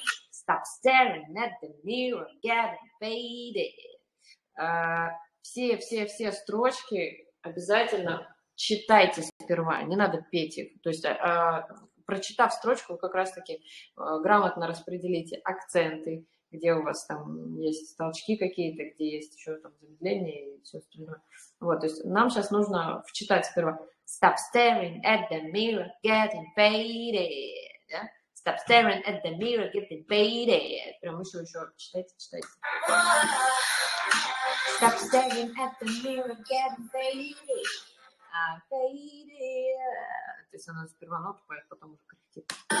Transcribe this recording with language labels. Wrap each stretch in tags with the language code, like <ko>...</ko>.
<en>Stop staring at the mirror, getting faded.</en> <ru>Все строчки обязательно читайте сперва, не надо петь их. То есть... Прочитав строчку, вы как раз-таки грамотно распределите акценты, где у вас там есть толчки какие-то, где есть еще там замедление и все остальное. Вот, то есть нам сейчас нужно вчитать сперва.</ru> <en>Stop staring at the mirror, getting faded. Yeah? Stop staring at the mirror, getting faded.</en> <ru>Прям еще читайте.</ru> <en>Stop staring at the mirror, getting faded. Faded.</en> <ru>То есть она сперва ноту поет, потом уже крутит.</ru>